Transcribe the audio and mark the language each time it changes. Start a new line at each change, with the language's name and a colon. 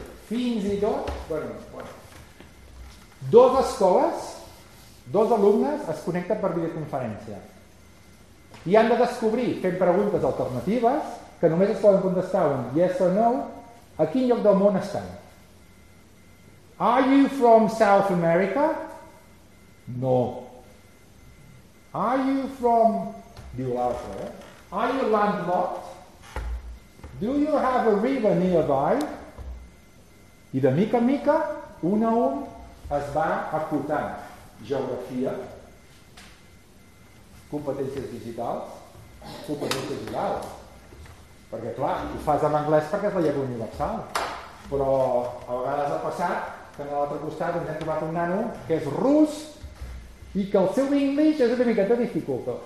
Catalan: Fins i tot, bueno, dos escoles, dos alumnes es connecten per videoconferència i han de descobrir, fent preguntes alternatives, que només es poden contestar un yes o no, a quin lloc del món estan.
English: Are you from South America? No. Are you from...
Catalan: Diu l'altre, eh?
English: Are you landlocked? Do you have a river nearby?
Catalan: I de mica en mica, un a un, es va acotant geografia, competències digitals, competències digitals. Perquè, clar, ho fas en anglès perquè és la llengua universal. Però a vegades ha passat que a l'altre costat ens hem trobat un nano que és rus i que el seu inglès és una miqueta difícil.